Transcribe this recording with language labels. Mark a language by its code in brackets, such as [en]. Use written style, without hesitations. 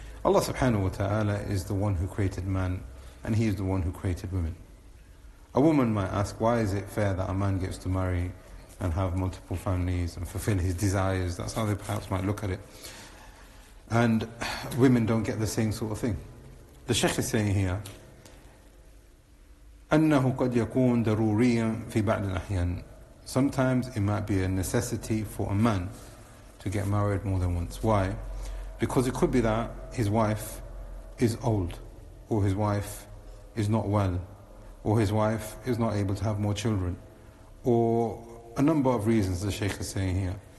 [en] Allah subhanahu wa ta'ala is the one who created man, and He is the one who created women. A woman might ask, why is it fair that a man gets to marry and have multiple families and fulfill his desires? That's how they perhaps might look at it. And women don't get the same sort of thing. The Shaykh is saying here, [ar] أَنَّهُ قَدْ يَكُونْ دَرُورِيًا فِي بَعْدِ الْأَحْيَانِ. [en] Sometimes it might be a necessity for a man to get married more than once. Why? Because it could be that his wife is old, or his wife is not well, or his wife is not able to have more children, or a number of reasons, the Shaykh is saying here.